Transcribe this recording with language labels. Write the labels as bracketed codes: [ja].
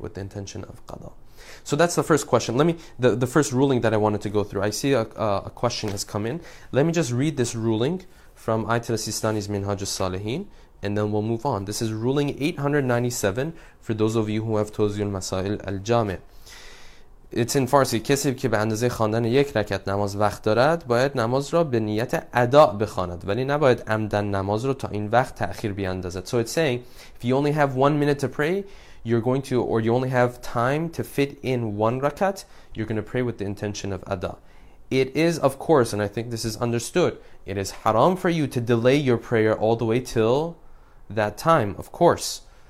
[en] With the intention of qada. So that's the first question. The first ruling that I wanted to go through. I see a question has come in. Let me just read this ruling from Ayatollah Sistani's Minhaj al-Salihin, and then we'll move on. This is ruling 897 for those of you who have Tawziyul Masail al-Jami'. It's in Farsi. [fa] کسی که به اندازه خواندن یک رکعت نماز وقت دارد باید نماز را به نیت اداء بخواند ولی نباید عمدن نماز را تا این وقت تأخیر بیاندازد. [en] So it's saying, if you only have 1 minute to pray, you're going to, or you only have time to fit in one rakat, you're going to pray with the intention of ada. It is, of course, and I think this is understood, it is haram for you to delay your prayer all the way till that time, of course.